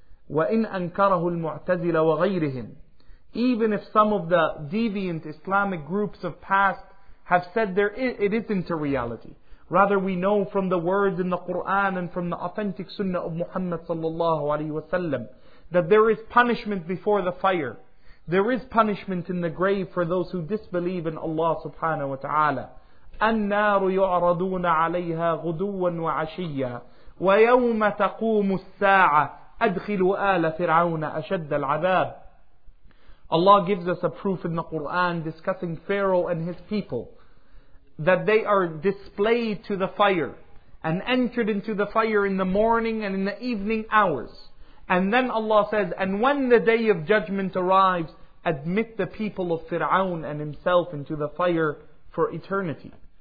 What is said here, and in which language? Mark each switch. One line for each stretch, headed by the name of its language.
Arabic: وَإِنْ أَنْكَرَهُ الْمُعْتَزِلَ وَغَيْرِهِمْ,
English: even if some of the deviant Islamic groups of past have said there is, it isn't a reality. Rather, we know from the words in the Qur'an and from the authentic sunnah of Muhammad sallallahu alayhi wasallam that there is punishment before the fire. There is punishment in the grave for those who disbelieve in Allah subhanahu wa ta'ala.
Arabic: النار يعرضون عليها غدوا وعشيا ويوم تقوم الساعة أدخلوا آل فرعون أشد العذاب.
English: Allah gives us a proof in the Quran discussing Pharaoh and his people, that they are displayed to the fire and entered into the fire in the morning and in the evening hours. And then Allah says, and when the day of judgment arrives, admit the people of Fir'aun and himself into the fire for eternity.